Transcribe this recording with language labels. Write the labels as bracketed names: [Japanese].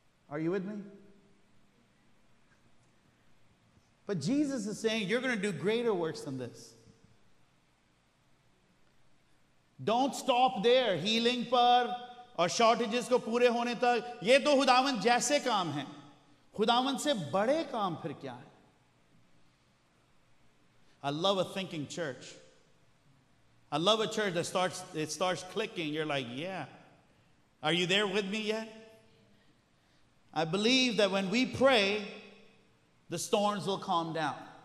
[English] Are you with me? But Jesus is saying, you're going to do greater works than this. Don't stop there, [Hindi] healing पर और shortages को पूरे होने तक. ये तो खुदावन जैसे काम है. खुदावन से बड़े काम फिर क्या है? [English] I love a thinking church. I love a church that starts clicking. You're like, yeah. Are you there with me yet? I believe that when we pray, the storms will calm down.